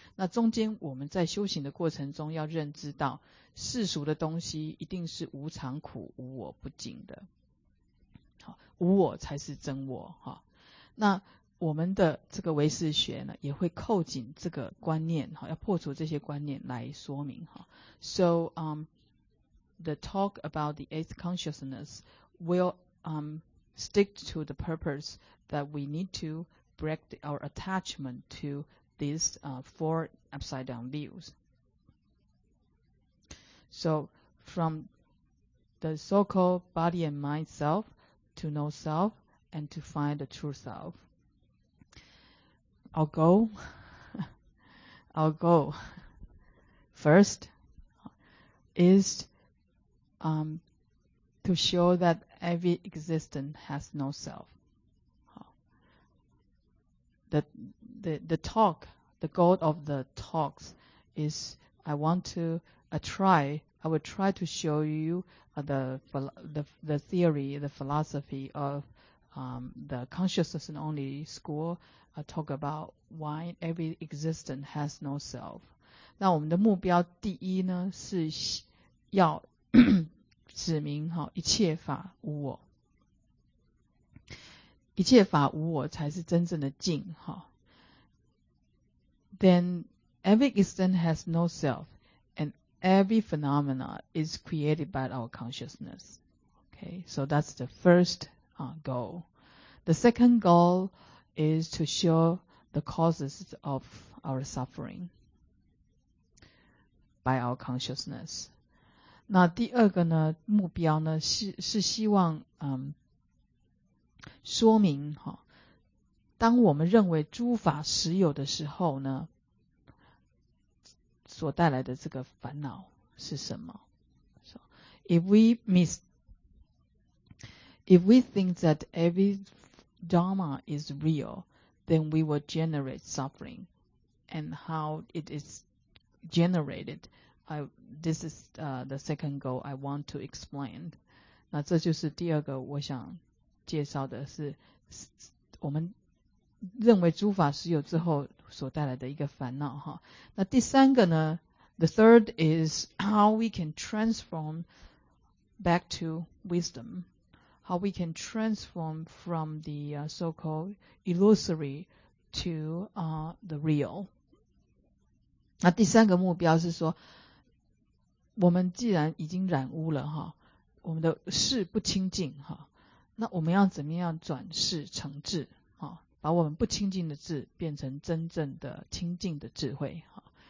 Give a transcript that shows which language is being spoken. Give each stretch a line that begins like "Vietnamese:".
Chinese: 那中间我们在修行的过程中要认知到世俗的东西一定是无常苦无我不净的，无我才是真我。那我们的这个唯识学呢，也会扣紧这个观念，哈，要破除这些观念来说明，哈。
English: So, the talk about the eighth consciousness will stick to the purpose that we need to break our attachment to these four upside down views. So, from the so-called body and mind self to know self and to find the true self. Our goal first is to show that every existent has no self. The talk, the goal of the talks is I will try to show you the theory, the philosophy of the consciousness and only school. Talk about why every existent has no self.
Chinese: 那我们的目标第一呢，是要指明哈，一切法无我，一切法无我才是真正的净哈。
English: Then every existent has no self, and every phenomena is created by our consciousness. Okay, so that's the first goal. The second goal. Is to show the causes of our suffering by our consciousness.
Chinese: 那第二个呢，目标呢 是希望说明哈，当我们认为诸法实有的时候呢，所带来的这个烦恼是什么 ？
English: So if we think that every Dharma is real, then we will generate suffering. And how it is generated, this is the second goal I want to explain.
Chinese: 那这就是第二个我想介绍的是我们认为诸法实有之后所带来的一个烦恼哈。那第三个呢
English: ,the third is how we can transform back to wisdom. How we can transform from the so-called illusory to the real.
Chinese: 那第三个目标是说，我们既然已经染污了哈，我们的视不清净哈，那我们要怎么样转视成智哈，把我们不清净的智变成真正的清净的智慧哈。